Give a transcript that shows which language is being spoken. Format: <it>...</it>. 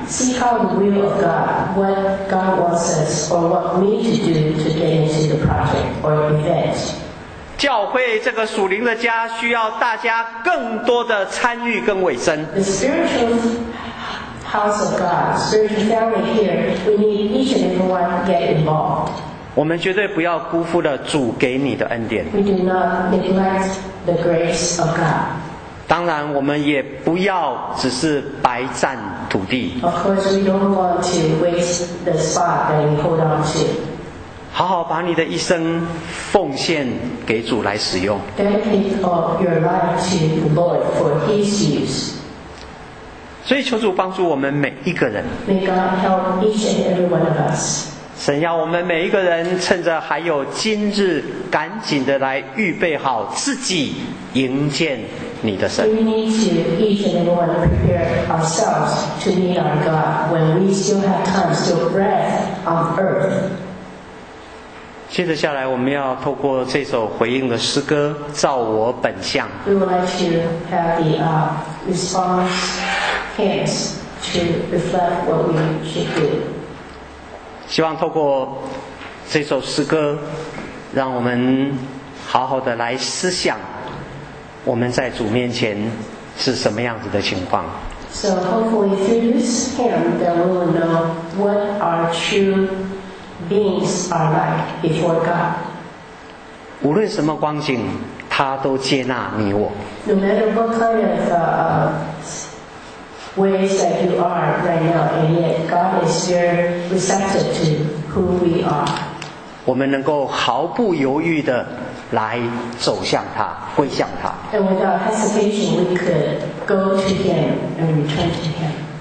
<en>See how the will of God, what God wants us or what we need to do to get into the project or event。</en> <zh>教会这个属灵的家需要大家更多的参与跟委身。</zh> <en>The spiritual house of God, spiritual family here, we need each and everyone to get involved。</en> <zh>我们绝对不要辜负了主给你的恩典。</zh> <en>We do not neglect the grace of God.</en> <zh>当然，我们也不要只是白占土地。</zh> <en>Of course, we don't want to waste the spot that we hold on to.</en> <zh>好好把你的一生奉献给主来使用。</zh> <en>Dedicate all your life to the Lord for His use.</en> <zh>所以，求主帮助我们每一个人。</zh> <en>May God help each and every one of us.</en> <zh>神要我们每一个人趁着还有今日赶紧的来预备好自己迎接你的神。</zh> <en>We need to each and everyone prepare ourselves to meet our God when we still have time, still breath on earth.</en> <zh>接着下来我们要透过这首回应的诗歌照我本相。</zh> <en>We would like to have the response hands to reflect what we should do.</en> <zh>希望透过这首诗歌让我们好好的来思想我们在主面前是什么样子的情况。</zh> <en>So hopefully through this hymn that we will know what our true beings are like before God.</en> <zh>无论什么光景他都接纳你我。</zh> <en>No matter what kind of ways that you are right now, and yet God is very receptive to who we are.</en> <zh>我们能够毫不犹豫地来走向他，归向他。</zh> <en>And without hesitation, we could go to Him and return to Him.</en>